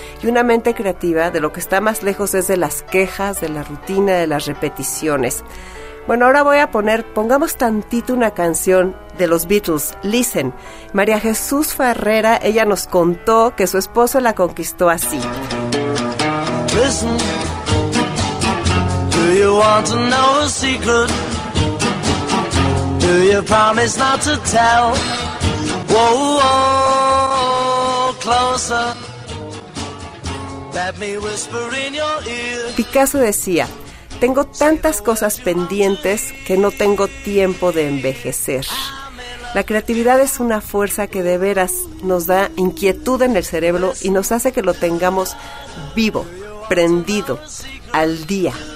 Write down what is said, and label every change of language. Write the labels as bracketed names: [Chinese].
[Spanish] Y una mente creativa, de lo que está más lejos es de las quejas, de la rutina, de las repeticiones. Bueno, ahora voy a poner, pongamos tantito una canción de los Beatles, Listen. María Jesús Farrera, ella nos contó que su esposo la conquistó así. [English] Listen, do you want to know a secret? Do you promise not to tell? Whoa, whoa, closer. Let me whisper in your ear. [Spanish] Picasso decía, tengo tantas cosas pendientes que no tengo tiempo de envejecer. La creatividad es una fuerza que de veras nos da inquietud en el cerebro y nos hace que lo tengamos vivo, prendido, al día.